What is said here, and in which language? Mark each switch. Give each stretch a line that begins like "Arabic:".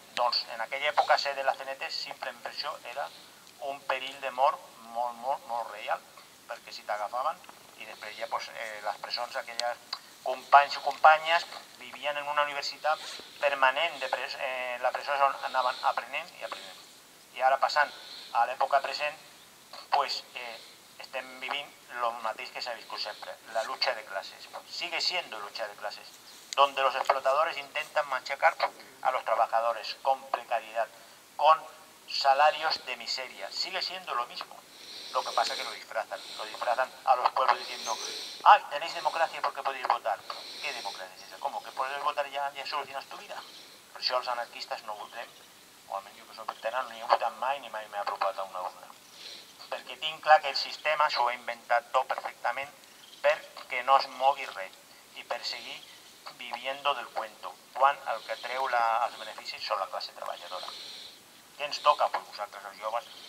Catalan: Doncs en aquella època ser de la CNT sempre per això era un perill de mort molt, molt, molt real, perquè si t'agafaven i després ja pues, les presons, aquelles companys i companyes vivien en una universitat permanent, de la presó on anaven aprenent i aprenent. I ara passant a l'època present, pues, estem vivint el mateix que s'ha viscut sempre,
Spanish: la lucha
Catalan: de classes.
Spanish: Sigue siendo lucha de classes, donde los explotadores intentan machacar a los trabajadores con precariedad, con salarios de miseria. Sigue siendo lo mismo. Lo que pasa es que lo disfrazan a los pueblos diciendo, ¡ay, tenéis democracia porque podéis votar! ¿Qué democracia es esa? ¿Cómo? ¿Que puedes votar y ya solucionas tu vida? Por eso los anarquistas
Catalan: no votem. O almenys jo que soc veterà no hi he votat mai ni mai m'he apropat a una urna. Perquè tinc clar que el sistema s'ho ha inventat tot perfectament perquè no es mogui res i per seguir
Spanish: viviendo del cuento,
Catalan: quan el que treu els beneficis són la classe treballadora. Què ens toca per vosaltres, els joves,